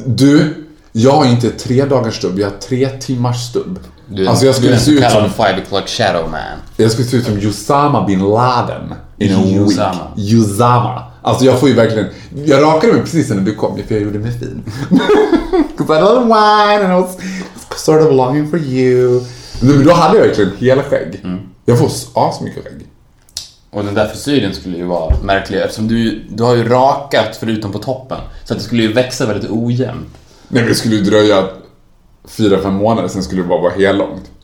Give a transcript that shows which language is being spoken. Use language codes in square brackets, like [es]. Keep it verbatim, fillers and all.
[sv] Du, jag har inte tre dagars stubb. Jag har tre timmars stubb. Du, alltså jag skulle se ut som [en] five o'clock shadow man. [sv] Jag skulle se ut som Osama bin Laden [en] in a week. [sv] Osama. Alltså jag får ju verkligen. Jag rakade mig precis när du kom, för jag gjorde mig fin. [en] Cause I don't wine and I was sort of longing for you. [sv] Men då hade jag verkligen hela skägg. Mm. Jag får asmycket skägg. Och den där frisyren skulle ju vara märklig, eftersom du, du har ju rakat förutom på toppen, så att det skulle ju växa väldigt ojämnt. Nej, men det skulle ju dröja fyra, fem månader, sen skulle det bara vara helt långt.